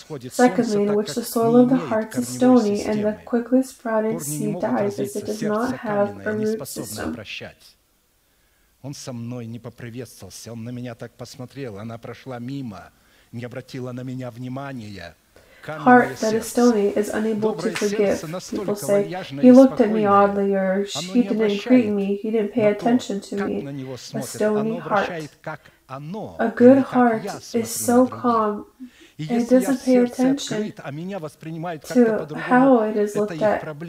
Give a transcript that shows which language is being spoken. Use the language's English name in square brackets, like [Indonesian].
[English] Secondly, in which the soil of the heart is stony and the quickly sprouting seed dies as it does not have a root system. [Russian] Он со мной не поприветствовался. Он на меня так посмотрел. Она прошла мимо. Не обратила на меня внимания. [English] Heart that is stony is unable to forgive. People say, he looked at me oddly, or he didn't greet me, he didn't pay attention to me. A stony heart. A good heart is so calm, it doesn't pay attention to how it is looked at.